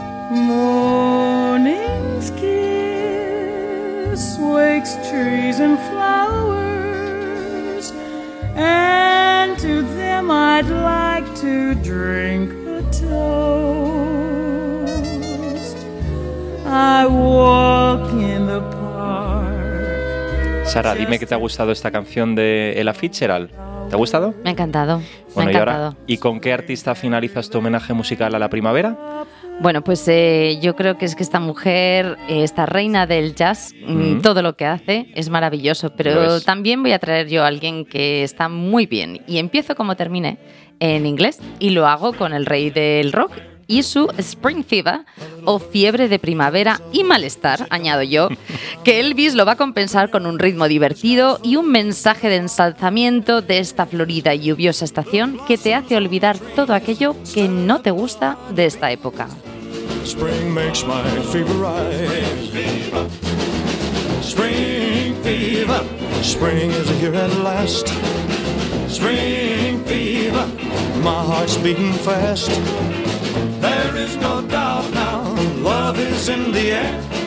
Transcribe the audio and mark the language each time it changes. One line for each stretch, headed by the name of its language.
English: Morning's kiss wakes trees and flowers, and to them I'd like to drink a toast. I walk in the park.
Spanish: Sara, dime que te ha gustado esta canción de Ella Fitzgerald. ¿Te ha gustado? Me ha encantado. Bueno, me ha encantado. ¿Y ahora? ¿Y con qué artista finalizas tu homenaje musical a la primavera? Bueno, pues yo creo que es que esta mujer, esta reina del jazz, todo lo que hace es maravilloso. Pero también voy a traer yo a alguien que está muy bien. Y empiezo como terminé, en inglés, y lo hago con el rey del rock y su Spring Fever, o fiebre de primavera y malestar, añado yo, que Elvis lo va a compensar con un ritmo divertido y un mensaje de ensalzamiento de esta florida y lluviosa estación que te hace olvidar todo aquello que no te gusta de esta época.
English: Spring makes my fever rise. Spring fever. Spring is here at last. Spring fever. My heart's beating fast. There is no doubt now, love is in the air.